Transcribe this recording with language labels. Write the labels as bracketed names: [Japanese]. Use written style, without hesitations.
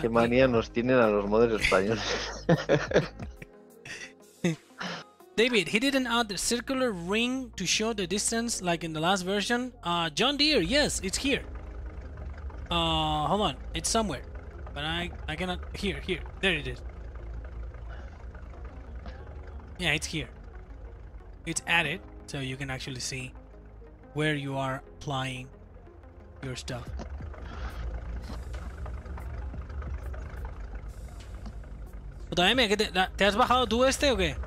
[Spanish] qué manía nos tienen a los modders españoles. [English] David, he didn't add the circular ring to show the distance like in the last version. John Deere, yes, it's here. Hold on, it's somewhere. But I cannot... Here, here, there it is. Yeah, it's here. It's added, so you can actually see where you are applying your stuff. [Spanish] Puta M, ¿qué te has bajado tú este o qué?